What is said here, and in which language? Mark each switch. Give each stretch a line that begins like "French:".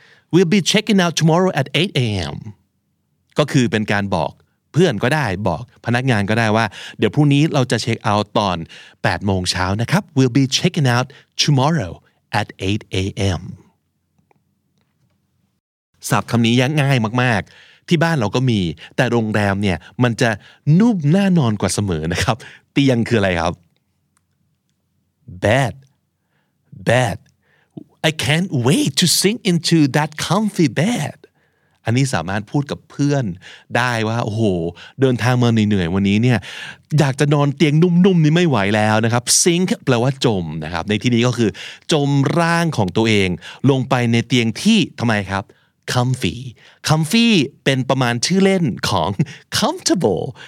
English: We'll be checking out tomorrow at 8 a.m.
Thai: ก็คือเป็นการบอกเพื่อนก็ได้บอกพนักงานก็ได้ว่าเดี๋ยวพรุ่งนี้เราจะเช็คเอาท์ตอน8 a.m. นะครับ
English: We'll be checking out tomorrow at 8 a.m.
Thai: ศัพท์คำนี้ยังง่ายมากๆที่บ้านเราก็มีแต่โรงแรมเนี่ยมันจะนุ่มน่านอนกว่าเสมอนะครับเตียงคืออะไรครับ Bed.
English: I can't wait to sink into that comfy bed.
Thai: อันนี้สามารถพูดกับเพื่อนได้ว่าโอ้โหเดินทางมาเหนื่อยๆวันนี้เนี่ยอยากจะนอนเตียงนุ่มๆนี่ไม่ไหวแล้วนะครับ sink แปลว่าจมนะครับในที่นี้ก็คือจมร่างของตัวเองลงไปในเตียงที่ทำไมครับ comfy comfy เป็นประมาณชื่อเล่นของ comfortable